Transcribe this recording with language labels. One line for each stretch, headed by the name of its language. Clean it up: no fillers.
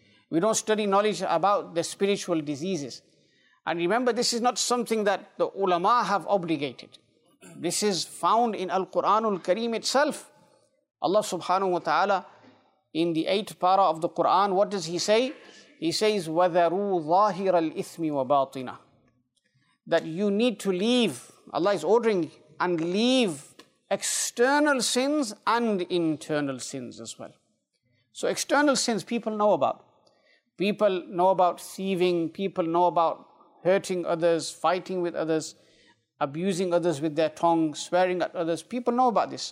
English: We don't study knowledge about the spiritual diseases. And remember, this is not something that the ulama have obligated. This is found in Al-Quran Al-Kareem itself. Allah subhanahu wa ta'ala, in the 8th para of the Quran, what does he say? He says,
Arabic: وَذَرُوا ظَاهِرَ الْإِثْمِ وَبَاطِنَ.
English: That you need to leave, Allah is ordering, and leave external sins and internal sins as well. So external sins people know about. People know about thieving, people know about hurting others, fighting with others, abusing others with their tongue, swearing at others. People know about this.